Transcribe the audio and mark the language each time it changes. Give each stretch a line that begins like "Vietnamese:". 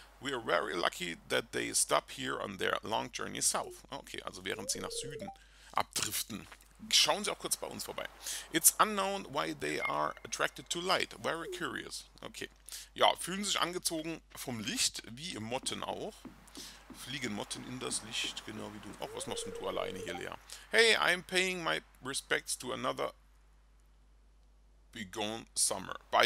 English: We are very lucky that they stop here on their long journey south.
German: Okay, also während sie nach Süden abdriften. Schauen sie auch kurz bei uns vorbei.
English: It's unknown why they are attracted to light. Very curious. Okay.
German: Ja, fühlen sich angezogen vom Licht, wie im Motten auch. Fliegen Motten in das Licht, genau wie du. Ach, was machst denn du alleine hier, Lea?
English: Hey, I'm paying my respects to another bygone summer.